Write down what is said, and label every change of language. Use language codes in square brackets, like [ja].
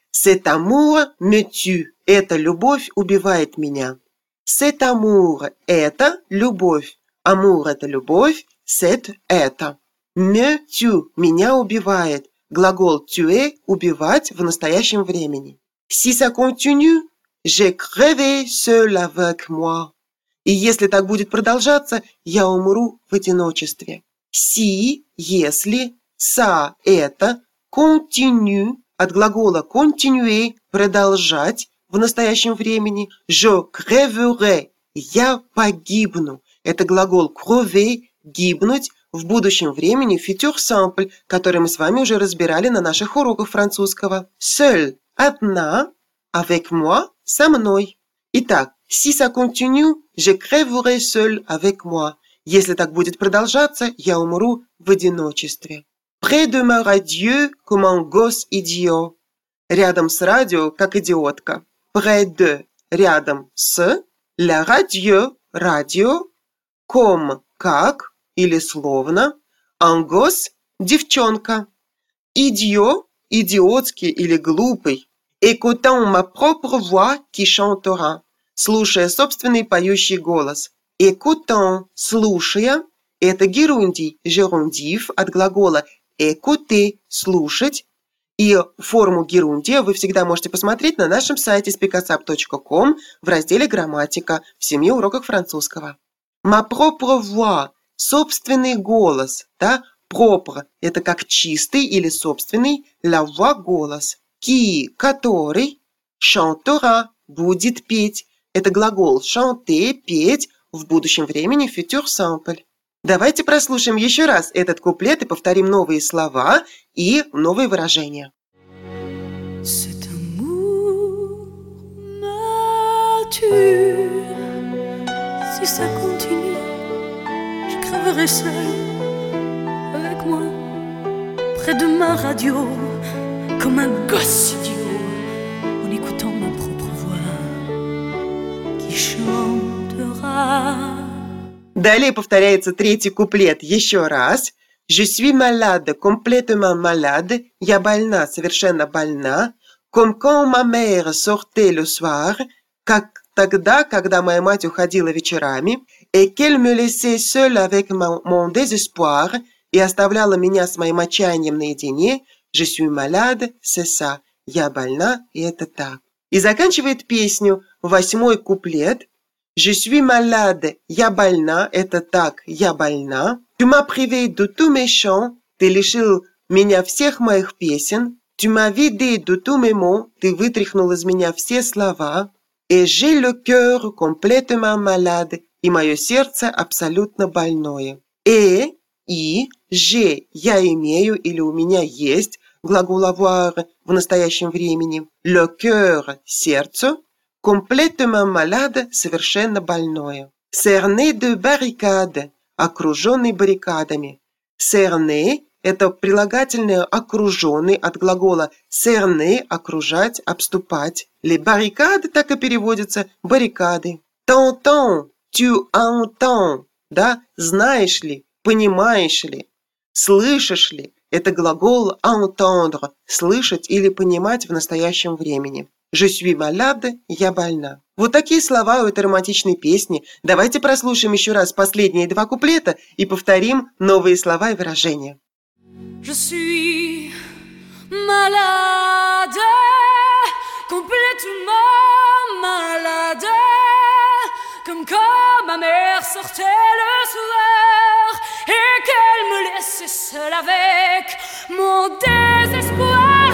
[fr] Cet amour me tue. [ru] Эта любовь убивает меня. Cet amour – это любовь. Amour – это любовь. Cet – это. Me tue – меня убивает. Глагол tuer – убивать в настоящем времени. [fr] Si ça continue, je crèverai seul avec moi. [ru] И если так будет продолжаться, я умру в одиночестве. Si – если, ça – это, continue – от глагола continuer – продолжать в настоящем времени. Je crèverai – я погибну. Это глагол crever – гибнуть в будущем времени, future simple, который мы с вами уже разбирали на наших уроках французского. Seul – одна, avec moi – со мной. [fr] Итак, si ça continue, je crèverai seul avec moi. [ru] Если так будет продолжаться, я умру в одиночестве. [fr] Près de ma radio, comme un gosse idiot. [ru] Рядом с радио, как идиотка. Près de, рядом с, la radio, радио, comme, как, или словно, un gosse, девчонка. Idiot, идиотский или глупый. [fr] Écoutant ma propre voix qui chantera. [ru] Слушая собственный поющий голос. Écoutant, слушая, это герундий, gerundif, от глагола «экуте» – «слушать». И форму герундия вы всегда можете посмотреть на нашем сайте speakasap.com в разделе «Грамматика» в 7 уроках французского. «Ma propre voix» – «собственный голос». Да? «Propre» – это как «чистый» или «собственный». «La voix» – «голос». «Qui» – «который». «Chantera» – «будет петь». Это глагол «chanter» – «петь» в будущем времени «future simple». Давайте прослушаем еще раз этот куплет и повторим новые слова и новые выражения. [fr] Cet amour m'a tué. Si ça continue, je crèverai seul avec moi, près de ma radio, comme un gosse idiot, en écoutant ma propre voix qui chantera. [ru] Далее повторяется третий куплет еще раз. [fr] Je suis malade, complètement malade. [ru] Я больна, совершенно больна. [fr] Comme quand ma mère sortait le soir. [ru] Как тогда, когда моя мать уходила вечерами. [fr] Et qu'elle me laissait seule avec mon désespoir. [ru] И оставляла меня с моим отчаянием наедине. [fr] Je suis malade, c'est ça. [ru] Я больна, и это так. И заканчивает песню восьмой куплет. [fr] Je suis malade. [ru] Я больна. Это так. Я больна. [fr] Tu m'as privé de tous mes chants. [ru] Ты лишил меня всех моих песен. [fr] Tu m'as vidé de tous mes mots. [ru] Ты вытряхнул из меня все слова. [fr] Et j'ai le cœur complètement malade. [ru] И мое сердце абсолютно больное. Et, и, j'ai, я имею или у меня есть. Глагол avoir в настоящем времени. Le cœur, сердце. Complètement malade, совершенно больное. Cerné de barricade, окруженный баррикадами. Cerné, это прилагательное окруженный от глагола cerné, окружать, обступать. Les barricades, так и переводится, баррикады. T'entends, tu entends, да, знаешь ли, понимаешь ли, слышишь ли. Это глагол entendre, слышать или понимать в настоящем времени. Je suis malade, я больна. Вот такие слова у этой романтичной песни. Давайте прослушаем еще раз последние два куплета и повторим новые слова и выражения. [fr] Je suis malade, complètement malade, comme quand ma mère sortait le soir et qu'elle me laissait seule avec mon désespoir.